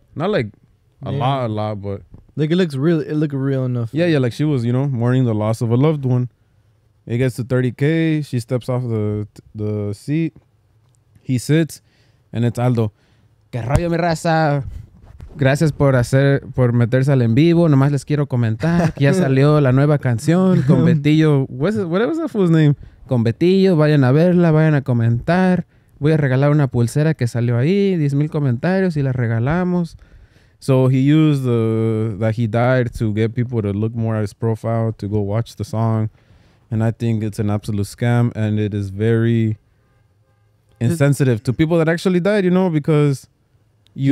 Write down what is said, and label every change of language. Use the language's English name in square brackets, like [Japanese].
[English] Not like a lot, but. Like it looked real enough. Yeah, like she was, you know, mourning the loss of a loved one. It gets to 30K, she steps off the seat, he sits, and it's Aldo. [Spanish] Que rollo mi raza. Gracias por meterse al en vivo. Nomás les quiero comentar que ya salió la nueva canción con Betillo. [English] What was that fool's name? [Spanish] Con Betillo. Vayan a verla. Vayan a comentar. Voy a regalar una pulsera que salió ahí. 10,000 comentarios y la regalamos. [English] So he used that he died to get people to look more at his profile, to go watch the song. And I think it's an absolute scam. And it is very insensitive to people that actually died, you know, because you